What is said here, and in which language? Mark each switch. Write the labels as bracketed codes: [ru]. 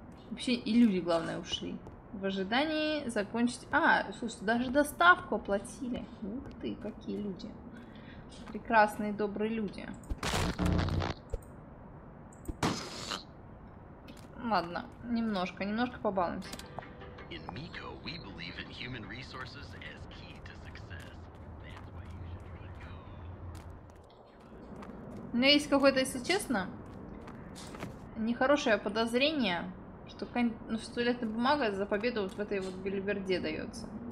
[ru] Вообще, и люди, главное, ушли. В ожидании закончить... А, слушай, даже доставку оплатили. Ух ты, какие люди. Прекрасные, добрые люди. Ладно, немножко, немножко побалуемся. [en] In Miko, we believe in human resources as key to success. That's why you should try to go. [ru] У меня есть какое-то, если честно, нехорошее подозрение, что, ну, что эта бумага за победу вот в этой вот билиберде дается.